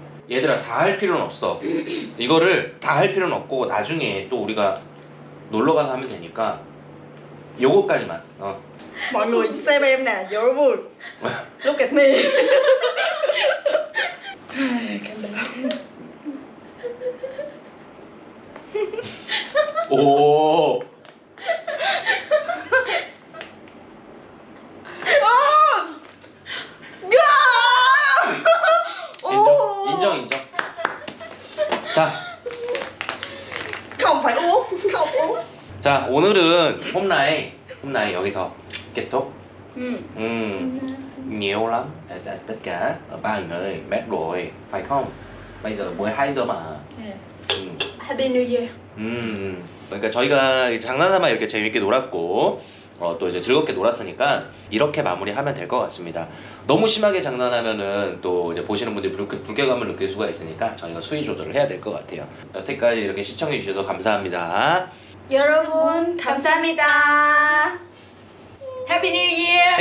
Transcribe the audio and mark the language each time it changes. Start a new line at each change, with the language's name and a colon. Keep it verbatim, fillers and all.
Korean: 얘들아 다 할 필요는 없어. 이거를 다 할 필요는 없고 나중에 또 우리가 놀러 가서 하면 되니까 요거까지만. 어.
Vietnamese: Mọi người xem em nè,
English: you're
Vietnamese: vui.
English: Look at me.
Vietnamese: Cảm ơn. 오.
Korean: 인정. 인정 인정. 자,
Vietnamese: Không phải uống, không uống.
Korean: 자 오늘은 홈라인 홈라인 여기서
Vietnamese: kết thúc. Ừ. 음. Nhiều lắm. Ờ, tất- tất cả ở ba người mét rồi, phải không? Bây giờ mới hai giờ mà. Ừ.
English: Happy New Year.
Korean: 음, 그러니까 저희가 장난삼아 이렇게 재밌게 놀았고 어, 또 이제 즐겁게 놀았으니까 이렇게 마무리하면 될 것 같습니다. 너무 심하게 장난하면은 또 이제 보시는 분들이 불쾌, 불쾌감을 느낄 수가 있으니까 저희가 수위 조절을 해야 될 것 같아요. 여태까지 이렇게 시청해 주셔서 감사합니다. 여러분 감사합니다.
English: Happy New Year.